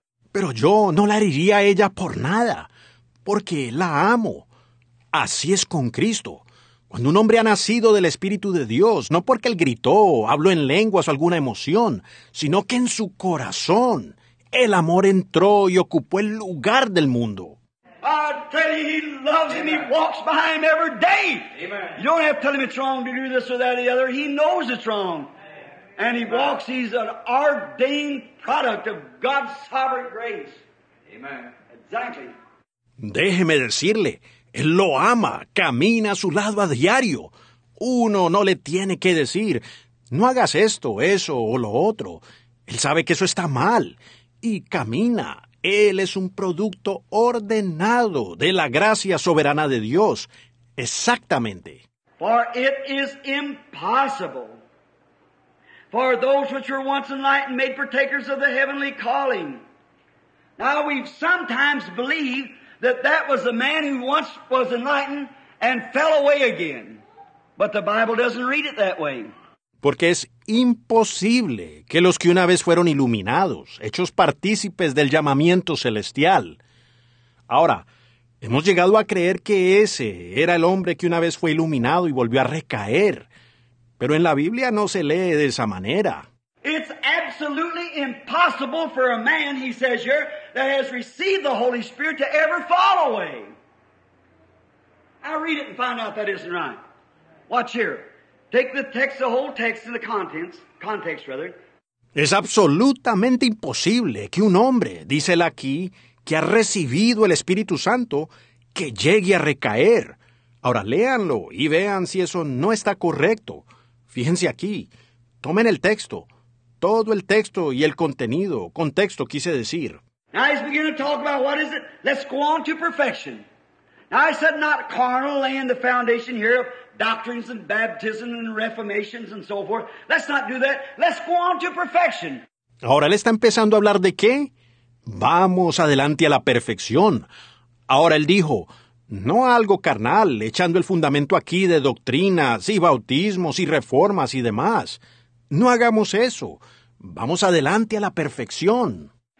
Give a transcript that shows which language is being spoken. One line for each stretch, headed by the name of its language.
Spanish: Pero yo no la heriría a ella por nada, porque la amo. Así es con Cristo. Cuando un hombre ha nacido del Espíritu de Dios, no porque él gritó, habló en lenguas o alguna emoción, sino que en su corazón el amor entró y ocupó el lugar del mundo.
English: I tell you, he loves him. He walks by him every day. Amen. You don't have to tell him it's wrong to do this or that or the other. He knows it's wrong. And he walks, he's an ordained product of God's sovereign grace. Amen. Exactly.
Spanish: Déjeme decirle, Él lo ama, camina a su lado a diario. Uno no le tiene que decir, no hagas esto, eso o lo otro. Él sabe que eso está mal y camina. Él es un producto ordenado de la gracia soberana de Dios. Exactamente.
English: For it is impossible for those which were once enlightened made partakers of the heavenly calling. Now we sometimes believe that that was the man who once was enlightened and fell away again. But the Bible doesn't read it that way.
Spanish: Porque es imposible que los que una vez fueron iluminados, hechos partícipes del llamamiento celestial. Ahora, hemos llegado a creer que ese era el hombre que una vez fue iluminado y volvió a recaer. Pero en la Biblia no se lee de esa manera.
English: It's absolutely impossible for a man, he says here, that has received the Holy Spirit to ever fall away. I'll read it and find out that isn't right. Watch here. Take the text, the whole text and the context rather.
Spanish: Es absolutamente imposible que un hombre, dice él aquí, que ha recibido el Espíritu Santo, que llegue a recaer. Ahora léanlo y vean si eso no está correcto. Fíjense aquí, tomen el texto. Todo el texto y el contenido, contexto quise decir.
English: Now he's beginning to talk about what is it? Let's go on to perfection. Now I said not carnal laying the foundation here of doctrines and baptism and reformations and so forth. Let's not do that. Let's go on to perfection.
Spanish: Ahora él está empezando a hablar de qué? Vamos adelante a la perfección. Ahora él dijo, no algo carnal, echando el fundamento aquí de doctrinas y bautismos y reformas y demás. No hagamos eso. Vamos adelante a la perfección.